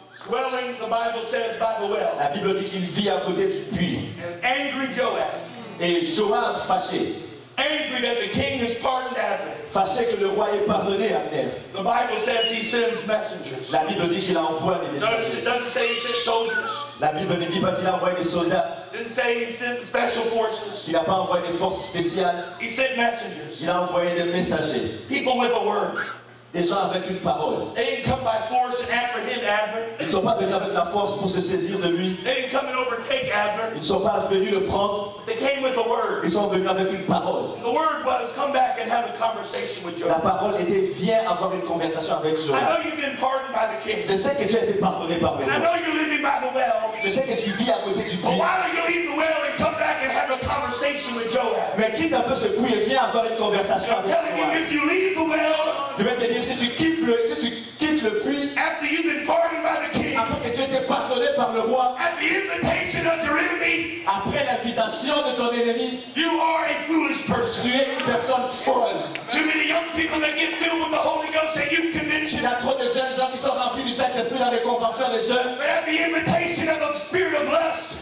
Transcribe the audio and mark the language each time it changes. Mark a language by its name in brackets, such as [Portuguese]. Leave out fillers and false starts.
[English] Swelling, the Bible says, by the well. [French] La Bible dit qu'il vit à côté du puits. [English] Angry Joab. [French] Et Joab fâché. [English] Angry that the king has pardoned Abner. [French] Fâché que le roi ait pardonné Abner. [English] The Bible says he sends messengers. [French] La Bible dit qu'il envoie des messagers. [English] It doesn't say he sends soldiers. [French] La Bible ne dit pas qu'il envoie des soldats. [English] Didn't say he sends special forces. [French] Il n'a pas envoyé des forces spéciales. [English] He sent messengers. [French] Il a envoyé des messagers. [English] People with a word. [French] Des gens avec une parole. [English] They didn't come by force and apprehend Abner. [French] Ils ne sont pas venus avec la force pour se saisir de lui. [English] They didn't come and overtake Abner. [French] Ils ne sont pas venus le prendre. [English] They came with a word. [French] Ils sont venus avec une parole. [English] The word was, come back and have a conversation with Joab. [French] La parole était, viens avoir une conversation avec Joab. [English] I know you've been pardoned by the king. [French] Je sais que tu as été pardonné par le roi. [English] I know you're living by the well. [French] Je sais que tu vis à côté du puits. [English] Why don't you leave the well and come back and have a conversation with Joab? [French] Mais quitte un peu ce puits et viens avoir une conversation [English] I'm telling [French] avec [English] you, if you leave the well. [French] Je vais te dire, si tu quittes le, si tu quittes le puits, [English] after you've been pardoned by the king, [French] après que tu as été pardonné par le roi, [English] at the invitation of your enemy, [French] après l'invitation de ton ennemi, [English] you are a foolish person. [French] Tu es une personne folle. [English] Too many young people that get filled with the Holy Ghost at youth convention. [French] Il y a trop de jeunes gens qui sont remplis du Saint-Esprit dans les conventions des jeunes. [English] But at the invitation of the spirit of lust,